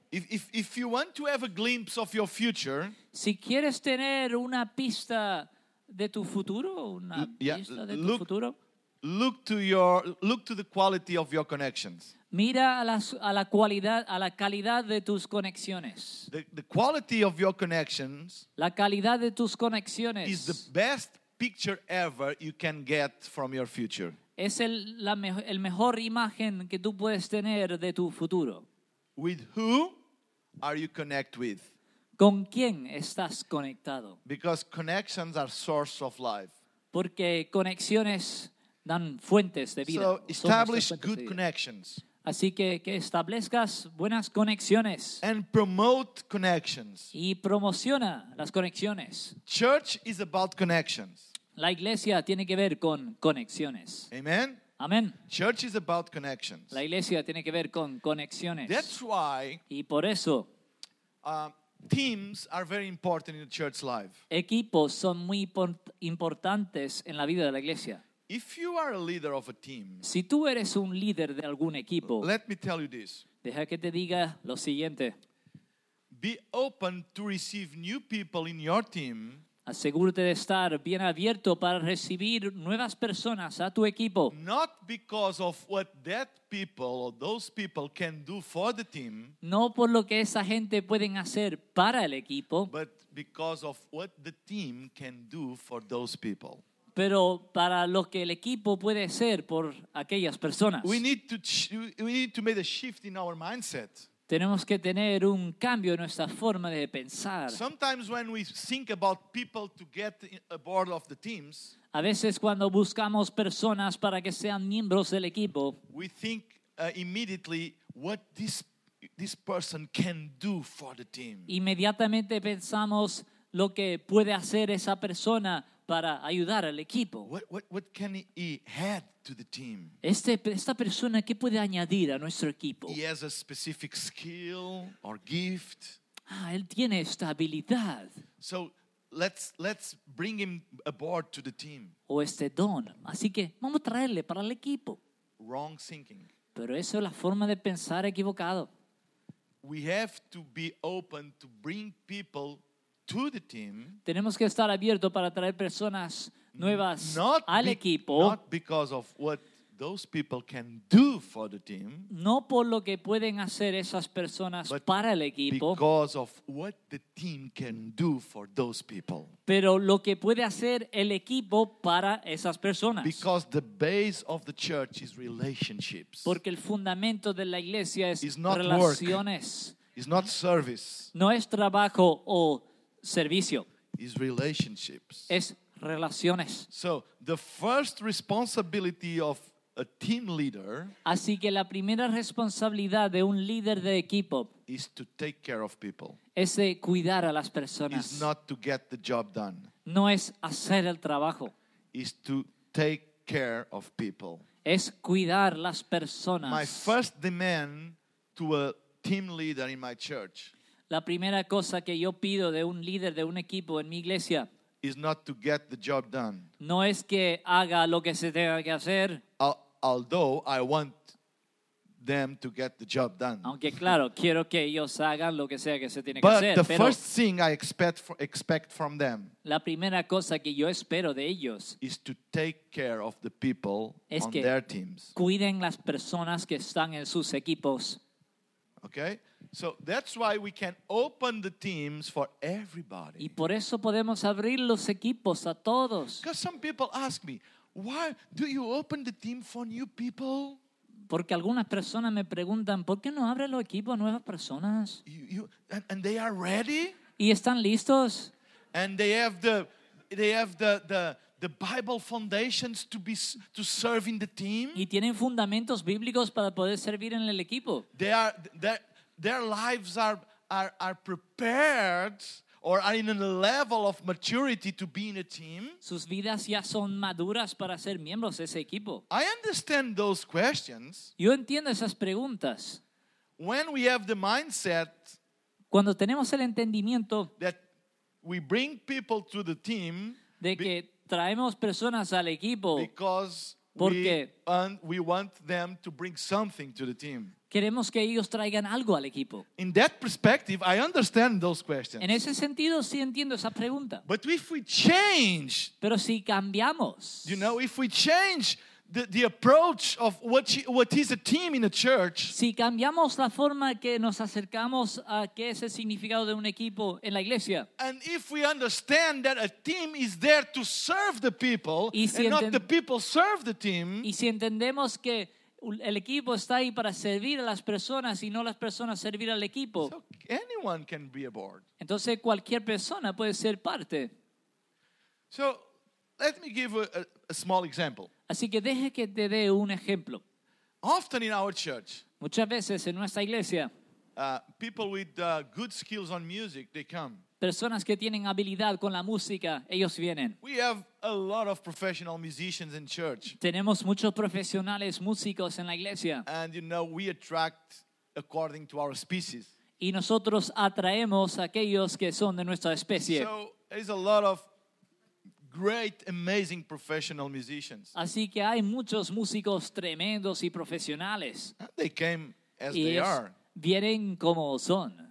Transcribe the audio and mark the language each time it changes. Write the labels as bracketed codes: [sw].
[en] If you want to have a glimpse of your future, [es] si quieres tener una pista de tu futuro, una pista de tu futuro. [en] Look to the quality of your connections. [es] Mira a la calidad de tus conexiones. [en] The quality of your connections. [es] La calidad de tus conexiones [en] is the best picture ever you can get from your future. [es] Es el mejor imagen que tú puedes tener de tu futuro. [en] With who are you connect with? [es] ¿Con quién estás conectado? [en] Because connections are source of life. [es] Porque conexiones dan fuentes de vida. [en] So establish good connections. [es] Así que establezcas buenas conexiones. [en] And promote connections. [es] Y promociona las conexiones. [en] Church is about connections. [es] La iglesia tiene que ver con conexiones. [en] Amen. [es] Amen. [en] Church is about connections. [es] La iglesia tiene que ver con conexiones. [en] That's why. [es] Y por eso. [en] Teams are very important in the church life. [es] Equipos son muy importantes en la vida de la iglesia. [en] If you are a leader of a team, [es] si tú eres un líder de algún equipo, [en] let me tell you this. [es] Deja que te diga lo siguiente. [en] Be open to receive new people in your team. [es] Asegúrate de estar bien abierto para recibir nuevas personas a tu equipo. [en] Not because of what that people or those people can do for the team. [es] No por lo que esa gente pueden hacer para el equipo. [en] But because of what the team can do for those people. [es] Pero para lo que el equipo puede ser por aquellas personas. [en] We need to make a shift in our mindset. [es] Tenemos que tener un cambio en nuestra forma de pensar. [en] Sometimes when we think about people to get aboard of the teams, [es] a veces cuando buscamos personas para que sean miembros del equipo, [en] we think immediately what this person can do for the team. [es] Inmediatamente pensamos lo que puede hacer esa persona para ayudar al equipo. [en] What can he add to the team? [es] Esta persona, ¿qué puede añadir a nuestro equipo? [en] He has a specific skill or gift. [es] Ah, él tiene esta habilidad. [en] So let's bring him aboard to the team. [es] O este don. Así que vamos a traerle para el equipo. [en] Wrong thinking. [es] Pero eso es la forma de pensar equivocado. [en] We have to be open to bring people to the team. [es] Tenemos que estar abierto para traer personas nuevas al equipo. [en] Not because of what those people can do for the team. [es] No por lo que pueden hacer esas personas para el equipo. [en] Because of what the team can do for those people. [es] Pero lo que puede hacer el equipo para esas personas. [en] Because the base of the church is relationships. [es] Porque el fundamento de la iglesia es relaciones. [en] It's not service. [es] No es trabajo o servicio. [en] It's relationships. [es] Es relaciones. [en] So the first responsibility of a team leader. [es] Así que la primera responsabilidad de un líder de equipo [en] is to take care of people. [es] Es de cuidar a las personas. [en] Is not to get the job done. [es] No es hacer el trabajo. [en] Is to take care of people. [es] Es cuidar las personas. [en] My first demand to a team leader in my church. [es] La primera cosa que yo pido de un líder de un equipo en mi iglesia [en] is not to get the job done. [es] No es que haga lo que se tenga que hacer. [en] Although I want them to get the job done. [es] Aunque claro, quiero que ellos hagan lo que sea que se tiene [en] but [es] que hacer. [en] But the first thing I expect from them. [es] La primera cosa que yo espero de ellos [en] is to take care of the people on their teams. [es] Cuiden las personas que están en sus equipos. [en] Okay, so that's why we can open the teams for everybody. [es] Y por eso podemos abrir los equipos a todos. [en] Because some people ask me, why do you open the team for new people? [es] Porque algunas personas me preguntan, ¿por qué no abre los equipos a nuevas personas? [en] And they are ready. [es] Y están listos. [en] And they have the Bible foundations to serve in the team. [es] Y tienen fundamentos bíblicos para poder servir en el equipo. [en] Their lives are prepared or are in a level of maturity to be in a team. [es] Sus vidas ya son maduras para ser miembros de ese equipo. [en] I understand those questions. [es] Yo entiendo esas preguntas. [en] When we have the mindset, [es] cuando tenemos el entendimiento, [en] that we bring people to the team, [es] de que traemos personas al equipo porque [en] we want them to bring something to the team. [es] Queremos que ellos traigan algo al equipo. [en] In that perspective, I understand those questions. [es] En ese sentido, sí entiendo esa pregunta. [en] But if we change, [es] pero si cambiamos, [en] you know, if we change the approach of what is a team in a church, [es] si cambiamos la forma que nos acercamos a qué es el significado de un equipo en la iglesia, [en] and if we understand that a team is there to serve the people and not the people serve the team, [es] y si entendemos que el equipo está ahí para servir a las personas y no las personas servir al equipo, [en] so anyone can be a board. [es] Entonces cualquier persona puede ser parte. [en] So let me give a small example. [es] Así que deje que te dé un ejemplo. [en] Often in our church, [es] muchas veces en nuestra iglesia, [en] people with good skills on music, they come. [es] Personas que tienen habilidad con la música, ellos vienen. [en] We have a lot of professional musicians in church. [es] Tenemos muchos profesionales músicos en la iglesia. [en] And you know, we attract according to our species. [es] Y nosotros atraemos a aquellos que son de nuestra especie. [en] So there's a lot of great, amazing professional musicians. [es] Así que hay muchos músicos tremendos y profesionales. [en] And they came as [es] y [en] they are. [es] Vienen como son.